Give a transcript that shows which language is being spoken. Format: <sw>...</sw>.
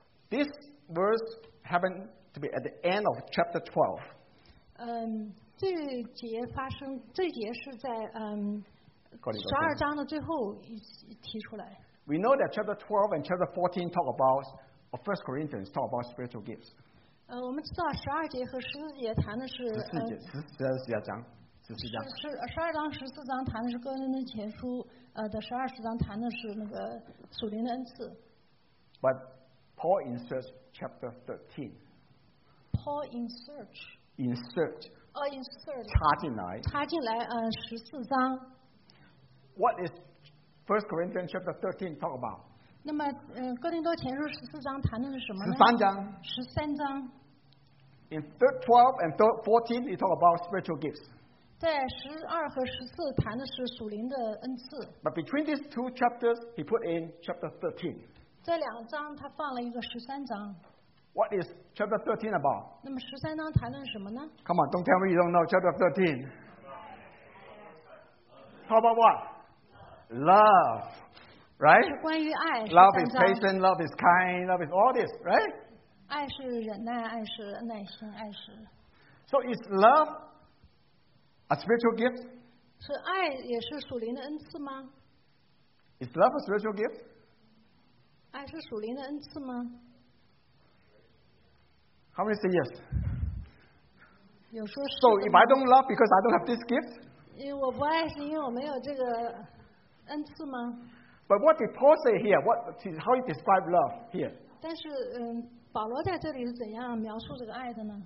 <en>This verse happened to be at the end of chapter 12.</en> <zh>这节发生，这节是在十二章的最后提出来。</zh> <en>We know that chapter 12 and chapter 14 talk about, or 1 Corinthians talk about spiritual gifts.</en> <zh>我们知道十二节和十四节谈的是十二章十四章谈的是哥林多前书的十二章十四章谈的是那个属灵的恩赐。</zh> <en>But Paul inserts chapter 13. Paul inserts. Insert. Oh, insert.</en> <zh>插进来，十四章。</zh> <en>What is 1 Corinthians chapter 13 talk about?</en> <zh>那么，哥林多前书十四章谈的是什么呢？十三章。</zh> <en>In 12 and 14, you talk about spiritual gifts.</en> <zh>在十二和十四谈的是属灵的恩赐。</zh> <en>But between these two chapters, he put in chapter 13.</en> <zh>这两章他放了一个十三章。</zh> <en>What is chapter 13 about?</en> <zh>那么十三章谈论什么呢？</zh> <en>Come on, don't tell me you don't know chapter 13. Talk about what? Love. Right?</en> <zh>是关于爱,</zh> <en>love is patient, love is kind, love is all this, right?</en> <zh>爱是忍耐，爱是耐心，爱是。</zh> <en>So is love a spiritual gift?</en> <zh>是爱也是属灵的恩赐吗？</zh> <en>Is love a spiritual gift?</en> <zh>爱是属灵的恩赐吗？</zh> <en>How many say yes?</en> <zh>有说是的吗？</zh> <en>So if I don't love because I don't have this gift?</en> <zh>我不爱是因为我没有这个恩赐吗？</zh> <en>But what did Paul say here? What, how he described love here?</en> <zh>但是保罗在这里是怎样描述这个爱的呢？</zh>